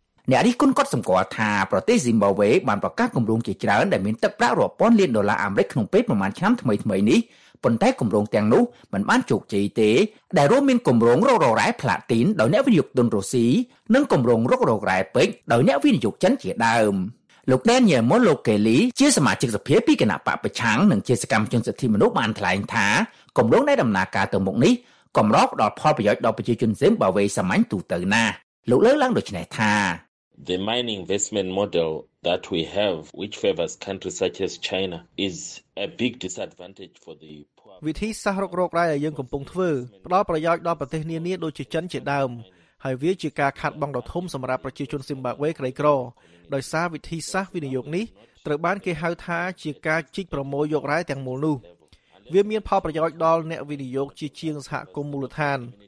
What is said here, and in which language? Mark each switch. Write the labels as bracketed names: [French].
[Khmer] អ្នកនេះគុនក៏សម្គាល់ថាប្រទេស Zimbabwe បានប្រកាសគម្រោងជាច្រើនដែលមានទឹកប្រាក់រាប់ពាន់លានដុល្លារអាមេរិកក្នុងពេលប្រមាណឆ្នាំថ្មីៗនេះប៉ុន្តែគម្រោងទាំងនោះមិនបានជោគជ័យទេដែលរួមមានគម្រោងរករ៉ែផ្លាទីនដោយអ្នកវិនិយោគទុនរុស្ស៊ីនិងគម្រោងរករ៉ែពេជ្រដោយអ្នកវិនិយោគចិនជាដើម លោកដានីយ៉ែលម៉ូឡូកេលីជាសមាជិកសភាពីគណៈបកប្រឆាំងនិងជាសកម្មជនសិទ្ធិមនុស្សបានថ្លែងថាគម្រោងដែលដំណើរការទៅមុខនេះកម្រផ្ដល់ផលប្រយោជន៍ដល់ប្រជាជនស៊ីមបាវេសាមញ្ញទូទៅណាស់លោកលើកឡើងដូចនេះថា [English] The mining investment model that we have which favors countries such as China is a big disadvantage for the [Khmer] វិធីសាស្ត្ររករករ៉ែដែលយើងកំពុងធ្វើផ្ដល់ប្រយោជន៍ដល់ប្រទេសនានាដូចជាចិនជាដើមហើយវាជាការខាត់បងដល់ធំសម្រាប់ប្រជាជនស៊ីមបាវេក្រីក្រដោយសារវិធីសាស្ត្រវិនិយោគនេះត្រូវបានគេហៅថាជាការជីកប្រមូលយករ៉ែទាំងមូលនោះវាមានផលប្រយោជន៍ដល់អ្នកវិនិយោគជាជាងសហគមន៍មូលដ្ឋាន